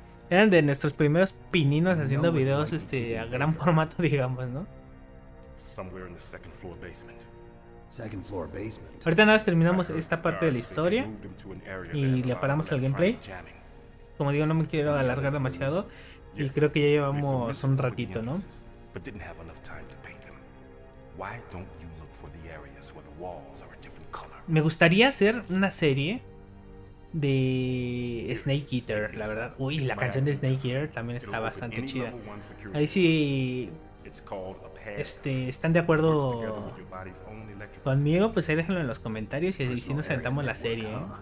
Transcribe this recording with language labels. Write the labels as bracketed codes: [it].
[es] eran de nuestros primeros pininos haciendo videos a gran formato, digamos, ¿no? [en] Somewhere in the second floor basement. Second floor basement. [es] Ahorita nada más terminamos esta parte de la historia y le paramos al gameplay. Como digo, no me quiero alargar demasiado y creo que ya llevamos un ratito, ¿no? [en] But didn't have enough time to paint them. Why don't you look for the areas where the walls are a different color? [es] Me gustaría hacer una serie de Snake Eater, la verdad. Uy, la canción de Snake Eater también está bastante chida. Ahí sí, están de acuerdo conmigo, pues ahí déjenlo en los comentarios y así nos sentamos la serie.